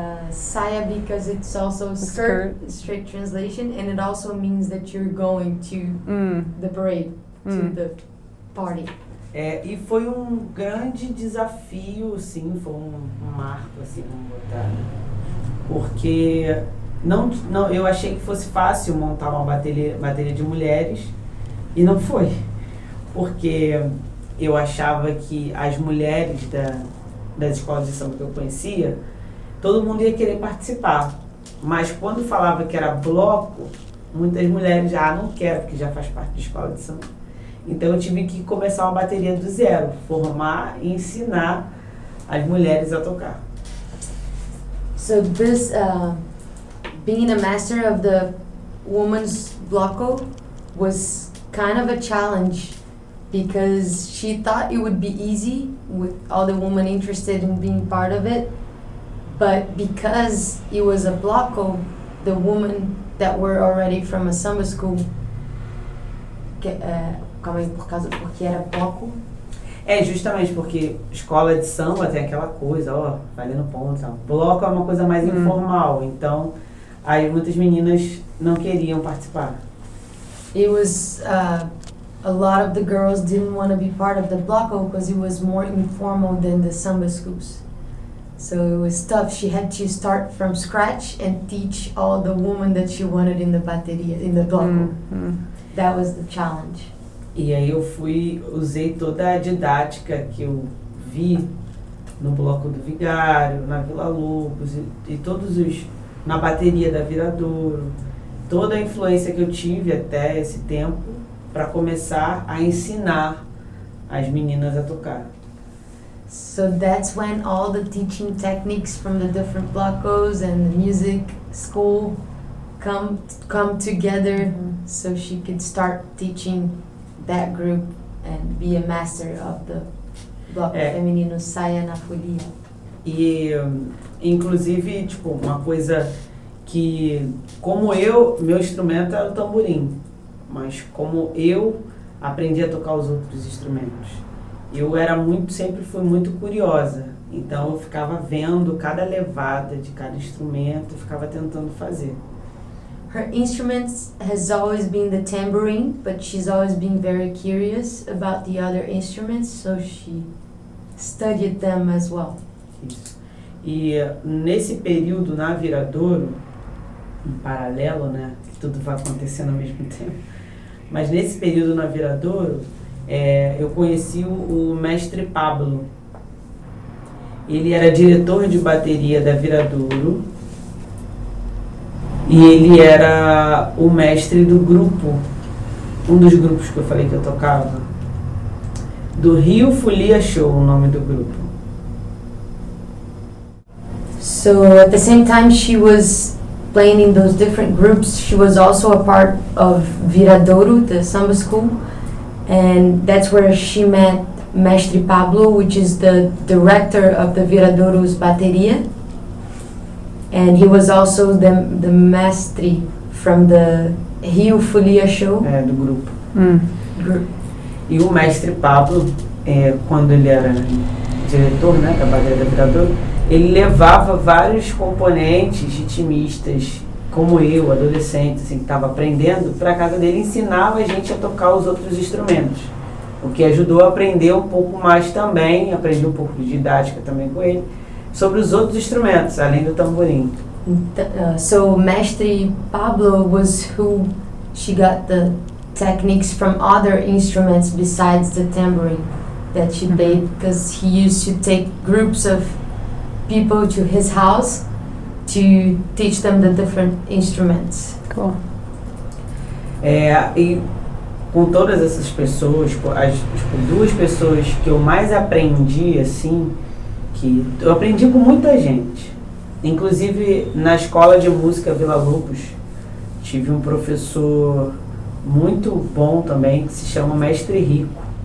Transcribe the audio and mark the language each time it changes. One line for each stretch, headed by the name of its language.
English: Saya, because it's also skirt, straight translation, and it also means that you're going to the parade, to the party.
Portuguese: E foi um grande desafio, sim, foi um marco, assim, vamos botar, porque não, eu achei que fosse fácil montar uma bateria de mulheres, e não foi, porque eu achava que as mulheres das escolas de samba que eu conhecia, todo mundo ia querer participar, mas quando falava que era bloco, muitas mulheres já não querem, porque já faz parte da escola de samba. Então eu tive que começar uma bateria do zero, formar e ensinar as mulheres a tocar.
English: So this being a master of the woman's bloco was kind of a challenge, because she thought it would be easy with all the women interested in being part of it. But because it was a bloco, the women that were already from a summer school,
Portuguese: calma aí, porque era bloco? Justamente porque escola de samba tem aquela coisa, ó, valendo ponto, sabe? Bloco é uma coisa mais informal, então aí muitas meninas não queriam participar.
English: It was, a lot of the girls didn't want to be part of the bloco because it was more informal than the samba schools. So it was tough. She had to start from scratch and teach all the women that she wanted in the bateria, in the bloco. Mm-hmm. That was the challenge.
Portuguese: E aí eu usei toda a didática que eu vi no bloco do Vigário, na Vila Lobos e todos os na bateria da Viradouro, toda a influência que eu tive até esse tempo para começar a ensinar as meninas a tocar.
English: So that's when all the teaching techniques from the different blocos and the music school come together, so she could start teaching that group and be a master of the bloco feminino Saia na Folia.
Portuguese: E inclusive, tipo, uma coisa que, como eu, meu instrumento era o tamborim, mas como eu aprendi a tocar os outros instrumentos. Eu sempre fui muito curiosa, então eu ficava vendo cada levada de cada instrumento, ficava tentando fazer.
English: Her instrument has always been the tambourine, but she's always been very curious about the other instruments, so she studied them as well.
Portuguese: Isso. E nesse período na Viradouro, em paralelo, né, tudo vai acontecendo ao mesmo tempo. Mas nesse período na Viradouro, eu conheci o mestre Pablo. Ele era diretor de bateria da Viradouro e ele era o mestre do grupo, um dos grupos que eu falei que eu tocava, do Rio Folia Show, o nome do grupo.
English: So at the same time she was playing in those different groups, she was also a part of Viradouro, the samba school, and that's where she met Mestre Pablo, which is the director of the Viradouro's bateria, and he was also the mestre from the Rio Folia show.
Portuguese: Do grupo.
English: Group.
Portuguese: E o Mestre Pablo, quando ele era diretor, né, da bateria da Viradouro, ele levava vários componentes ritmistas, como eu, adolescente, assim, que estava aprendendo, para casa dele, ensinava a gente a tocar os outros instrumentos. O que ajudou a aprender um pouco mais também, aprendi um pouco de didática também com ele, sobre os outros instrumentos, além do tamborim.
English: So, Mestre Pablo was who she got the techniques from other instruments besides the tambourine that she played, because he used to take groups of people to his house to teach them the different instruments. Cool.
Portuguese: E com todas essas pessoas, tipo, duas pessoas que eu mais aprendi, assim, que eu aprendi com muita gente. Inclusive, na escola de música Vila Lobos, tive um professor muito bom também, que se chama Mestre Rico.